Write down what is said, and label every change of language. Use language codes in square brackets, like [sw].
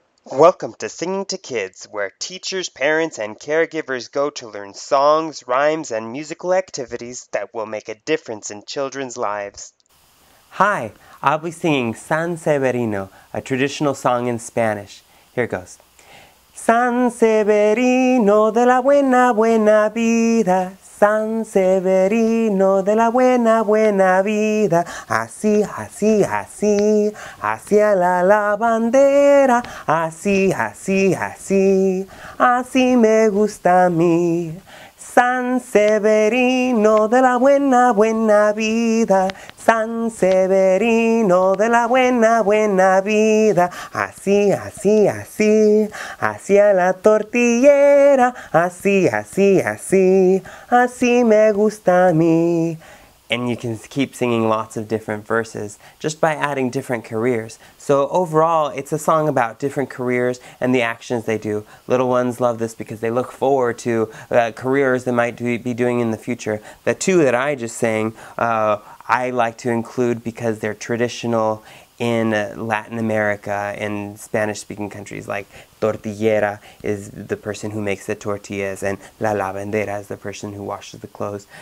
[en] Welcome to Singing to Kids, where teachers, parents, and caregivers go to learn songs, rhymes, and musical activities that will make a difference in children's lives. Hi, I'll be singing San Severino, a traditional song in Spanish. Here goes. [es] San Severino de la buena, buena vida. San Severino de la buena, buena vida. Así, así, así, hacia la lavandera. Así, así, así, así me gusta a mí. San Severino de la buena, buena vida. San Severino de la buena, buena vida. Así, así, así, hacia la tortillera. Así, así, así, así me gusta a mí. [en] And you can keep singing lots of different verses just by adding different careers. So overall, it's a song about different careers and the actions they do. Little ones love this because they look forward to careers they might be doing in the future. The two that I just sang, I like to include because they're traditional in Latin America, in Spanish-speaking countries, like tortillera is the person who makes the tortillas, and la lavandera is the person who washes the clothes.